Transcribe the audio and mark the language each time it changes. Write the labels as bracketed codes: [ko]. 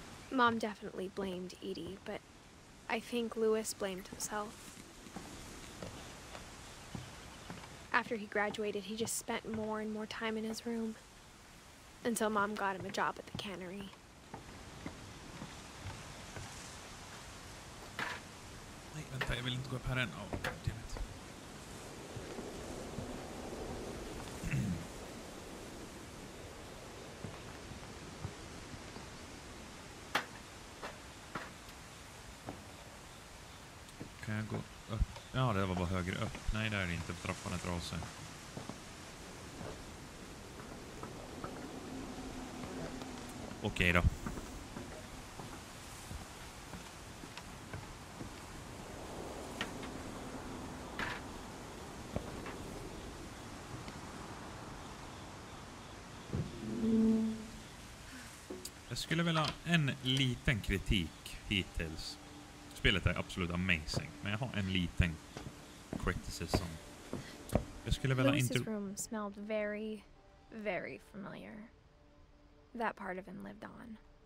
[en] Mom definitely blamed Edie, but I think Lewis blamed himself. After he graduated, he just spent more and more time in his room. Until Mom got him a job at the cannery. Wait, [sv] vänta, jag vill inte gå upp här än. [en] Oh, damn it. [sv] Kan jag gå upp? Ja, det var bara högre upp. Nej, där är det inte. Trappan är trasig. Okej då. Jag skulle vilja ha en liten kritik hittills. Spelet är absolut amazing, men jag har en liten criticism. Jag skulle vilja [en] room smelled very, very familiar. That part of him lived on.